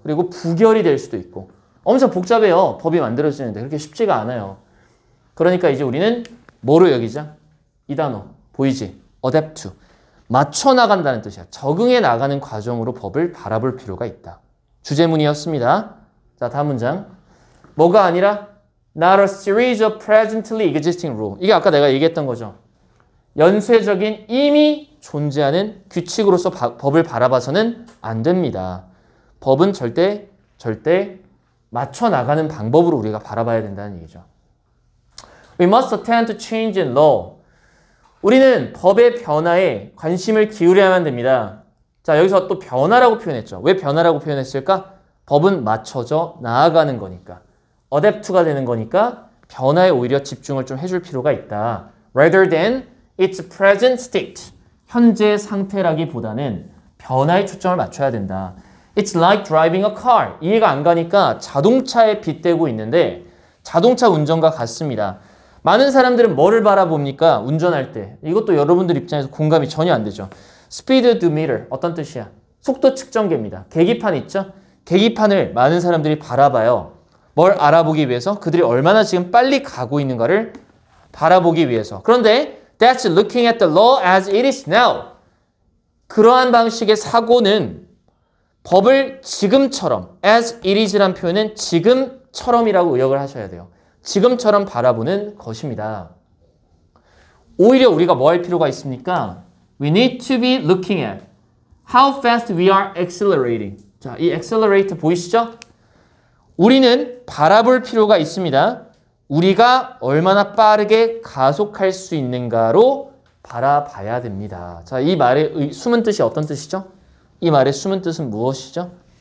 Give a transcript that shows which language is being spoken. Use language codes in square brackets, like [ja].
[ko] 그리고 부결이 될 수도 있고. 엄청 복잡해요. 법이 만들어지는데 그렇게 쉽지가 않아요. 그러니까 이제 우리는 뭐로 여기자? 이 단어 보이지? Adapt to. 맞춰 나간다는 뜻이야. 적응해 나가는 과정으로 법을 바라볼 필요가 있다. 주제문이었습니다. 자, 다음 문장. 뭐가 아니라? [en] Not a series of presently existing rules. [ko] 이게 아까 내가 얘기했던 거죠. 연쇄적인 이미 존재하는 규칙으로서 법을 바라봐서는 안 됩니다. 법은 절대 맞춰 나가는 방법으로 우리가 바라봐야 된다는 얘기죠. [en] We must attend to change in law. [ko] 우리는 법의 변화에 관심을 기울여야만 됩니다. 자, 여기서 또 변화라고 표현했죠. 왜 변화라고 표현했을까? 법은 맞춰져 나아가는 거니까. Adapt가 되는 거니까 변화에 오히려 집중을 좀 해줄 필요가 있다. [en] Rather than its present state. [ko] 현재 상태라기보다는 변화에 초점을 맞춰야 된다. [en] It's like driving a car. [ko] 이해가 안 가니까 자동차에 빗대고 있는데 자동차 운전과 같습니다. 많은 사람들은 뭐를 바라봅니까? 운전할 때. 이것도 여러분들 입장에서 공감이 전혀 안 되죠. Speedometer. 어떤 뜻이야? 속도 측정계입니다. 계기판 있죠? 계기판을 많은 사람들이 바라봐요. 뭘 알아보기 위해서? 그들이 얼마나 지금 빨리 가고 있는가를 바라보기 위해서. 그런데 [en] That's looking at the law as it is now. [ko] 그러한 방식의 사고는 법을 지금처럼, as it is란 표현은 지금처럼이라고 의역을 하셔야 돼요. 지금처럼 바라보는 것입니다. 오히려 우리가 뭐 할 필요가 있습니까? [en] We need to be looking at how fast we are accelerating. [ko] 자, 이 accelerate 보이시죠? 우리는 바라볼 필요가 있습니다. 우리가 얼마나 빠르게 가속할 수 있는가로 바라봐야 됩니다. 자, 이 말의 숨은 뜻이 어떤 뜻이죠? 이 말의 숨은 뜻은 무엇이죠?